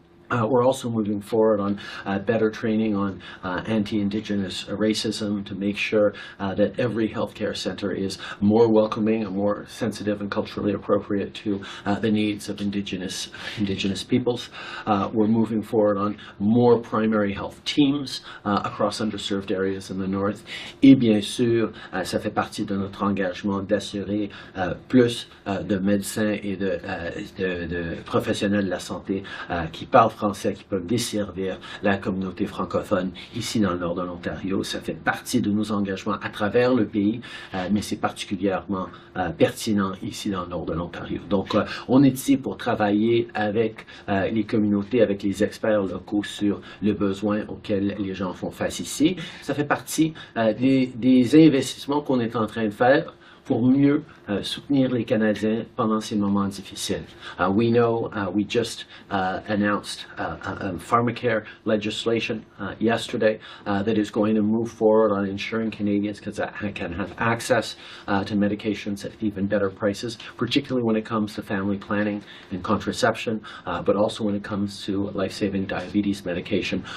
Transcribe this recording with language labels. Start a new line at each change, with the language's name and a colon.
English: We're also moving forward on better training on anti-Indigenous racism to make sure that every healthcare center is more welcoming and more sensitive and culturally appropriate to the needs of Indigenous peoples. We're moving forward on more primary health teams across underserved areas in the north.
French: Et bien sûr, ça fait partie de notre engagement d'assurer plus de médecins et de professionnels de la santé qui parlent français, qui peuvent desservir la communauté francophone ici dans le nord de l'Ontario. Ça fait partie de nos engagements à travers le pays, mais c'est particulièrement pertinent ici dans le nord de l'Ontario. Donc, on est ici pour travailler avec les communautés, avec les experts locaux sur le besoin auquel les gens font face ici. Ça fait partie des investissements qu'on est en train de faire pour mieux soutenir les Canadiens pendant ces moments difficiles.
English: We know we just announced pharmacare legislation yesterday that is going to move forward on ensuring Canadians can have access to medications at even better prices, particularly when it comes to family planning and contraception, but also when it comes to life-saving diabetes medication.